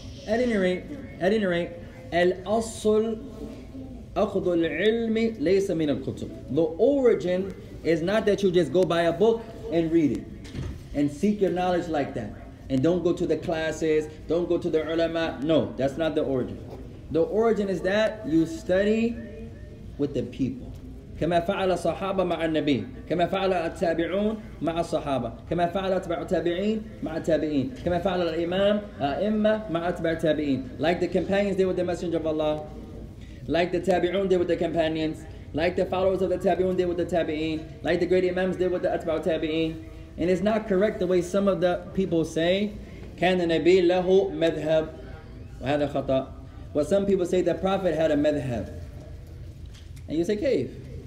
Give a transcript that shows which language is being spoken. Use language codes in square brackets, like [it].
[en] At any rate, [ar] al-asl akhdhu al-ilmi laysa min al-kutub. [en] The origin is not that you just go buy a book and read it and seek your knowledge like that. And don't go to the classes, don't go to the ulama. No, that's not the origin. The origin is that you study with the people. [ar] كما فعل الصحابة مع النبي كما فعل التابعون مع الصحابة كما فعل أتباع التابعين مع التابعين كما فعل الإمام أئمة مع أتباع التابعين. [en] Like the companions did with the Messenger of Allah, like the Tabi'un did with the companions, like the followers of the Tabi'un did with the Tabi'een, like the great Imams did with the Atba'u Tabi'een. And it's not correct the way some of the people say, [ar] كان النبي له مذهب وهذا خطأ. [en] Well, some people say the Prophet had a madhab. And you say, Kayf.